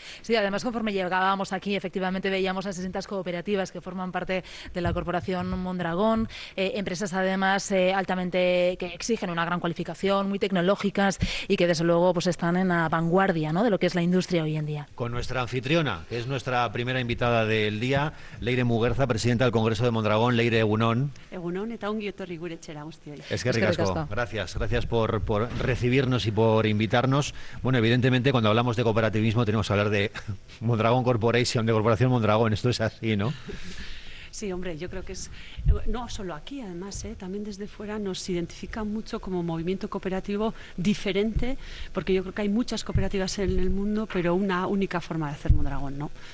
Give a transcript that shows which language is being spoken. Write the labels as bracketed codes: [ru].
[es] Sí, además conforme llegábamos aquí, efectivamente veíamos a 600 cooperativas que forman parte de la Corporación Mondragón, empresas además altamente que exigen una gran cualificación, muy tecnológicas y que desde luego pues están en la vanguardia, ¿no?, de lo que es la industria hoy en día. Con nuestra anfitriona, que es nuestra primera invitada del día, Leire Muguerza, presidenta del Congreso de Mondragón. [eu] Leire, egunon. Egunon, eta ongi etorri gure etxera guztioi. Eskerrik asko. [es] Gracias por recibirnos y por invitarnos. Bueno, evidentemente, cuando hablamos de cooperativismo tenemos que hablar de Mondragón Corporation, de Corporación Mondragón, esto es así, ¿no? Sí, hombre, yo creo que es, no solo aquí, además, también desde fuera nos identifica mucho como movimiento cooperativo diferente, porque yo creo que hay muchas cooperativas en el mundo, pero una única forma de hacer Mondragón, ¿no?